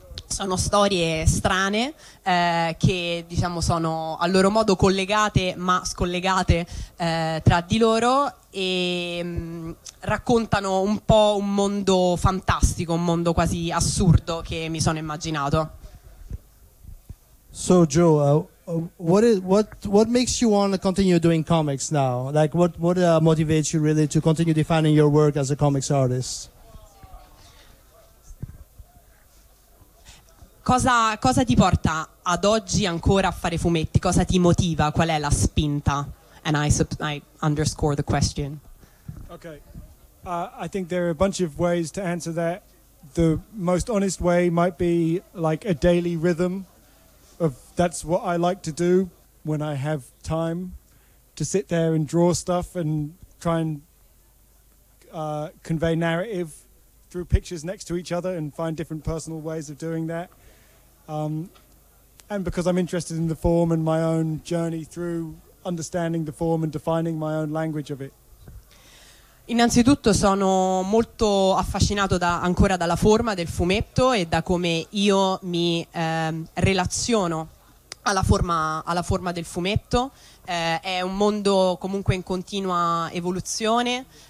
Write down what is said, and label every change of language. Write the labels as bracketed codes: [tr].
[it] Sono storie strane che, diciamo, sono a loro modo collegate ma scollegate tra di loro, e raccontano un po' un mondo fantastico, un mondo quasi assurdo che mi sono immaginato. [en] So Joe, what makes you want to continue doing comics now? Like what motivates you really to continue defining your work as a comics artist? [it] Cosa ti porta ad oggi ancora a fare fumetti? Cosa ti motiva? Qual è la spinta? [en] And I underscore the question. Okay. I think there are a bunch of ways to answer that. The most honest way might be like a daily rhythm of that's what I like to do when I have time to sit there and draw stuff and try and convey narrative through pictures next to each other and find different personal ways of doing that. And because I'm interested in the form and my own journey through understanding the form and defining my own language of it. [it] Innanzitutto sono molto affascinato ancora dalla forma del fumetto e da come io mi relaziono alla forma del fumetto. È un mondo comunque in continua evoluzione.